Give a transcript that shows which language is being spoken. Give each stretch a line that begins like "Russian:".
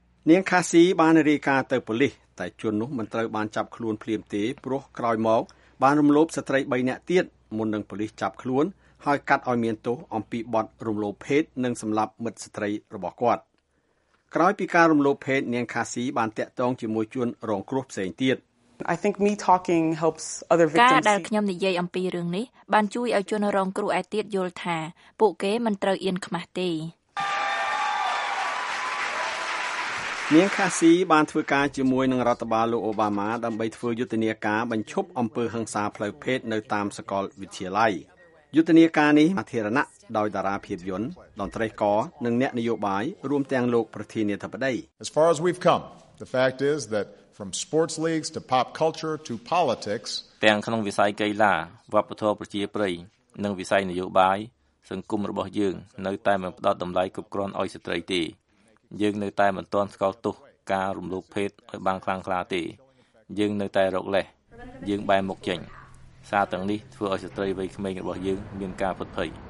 Khmer: នាងខាស៊ីបានរាយការណ៍ទៅប៉ូលីសតែជននោះមិនត្រូវបានចាប់ខ្លួនភ្លាមទេព្រោះក្រោយមកបានរំលោភស្ត្រី3នាក់ទៀតមុននឹងប៉ូលីសចាប់ខ្លួនហើយកាត់ឲ្យមានទោសអំពីបទរំលោភភេទនិងសម្លាប់មិត្តស្ត្រីរបស់គាត់ក្រោយពីការរំលោភភេទនាងខាស៊ីបានតាក់ទងជាមួយជនរងគ្រោះផ្សេងទៀត
English: I think me talking helps other victims.
Khmer: ការដែលខ្ញុំនិយាយអំពីរឿងនេះបានជួយឲ្យជនរងគ្រោះឯទៀតយល់ថាពួកគេមិនត្រូវអៀនខ្មាសទេ នាងខាស៊ីបានធ្វើការជាមួយនឹងរដ្ឋបាលលោកអូបាម៉ាដើម្បីធ្វើយុទ្ធនាការបញ្ឈប់អំពើហិង្សាផ្លូវភេទនៅតាមសកលវិទ្យាល័យយុទ្ធនាការនេះអធិរណៈដោយតារាភាពយន្តតន្ត្រីករនិងអ្នកនយោបាយរួមទាំងលោកប្រធានាធិបតី
English: As far as we've come the fact is that from sports leagues to pop culture to politics
Khmer: ទាំងក្នុងវិស័យកីឡាវប្បធម៌ប្រជាប្រិយនិងវិស័យនយោបាយសង្គមរបស់យើងនៅតែមិនផ្ដោតតម្លៃគ្រប់គ្រាន់ឲ្យស្ត្រីទេយើងនៅតែមិនទាន់ស្គាល់ទោសការរំលោភភេទឲ្យបានខ្លាំងក្លាទេយើងនៅតែរកលេសយើងបែរមុខចេញសារទាំងនេះធ្វើឲ្យស្ត្រីវ័យក្មេងរបស់យើងមានការពុតភ័យ